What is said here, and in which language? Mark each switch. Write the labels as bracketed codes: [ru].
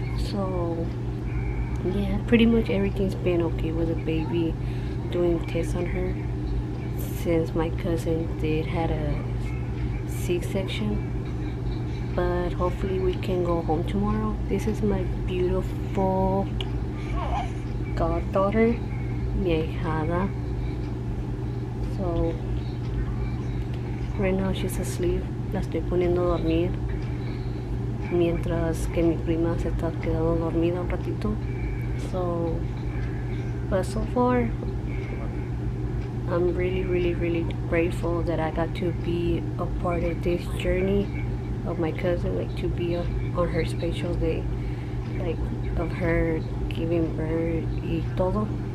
[en] So yeah, pretty much everything's been okay with the baby, doing tests on her since my cousin did had a C-section. But hopefully we can go home tomorrow. This is my beautiful goddaughter, [es] mi hijada. [en] So right now she's asleep. [es] La estoy poniendo a dormir mientras que mi prima se está quedando dormida un ratito. [en] So far, I'm really, really, really grateful that I got to be a part of this journey of my cousin, like to be on her special day, like of her giving birth [es] y todo.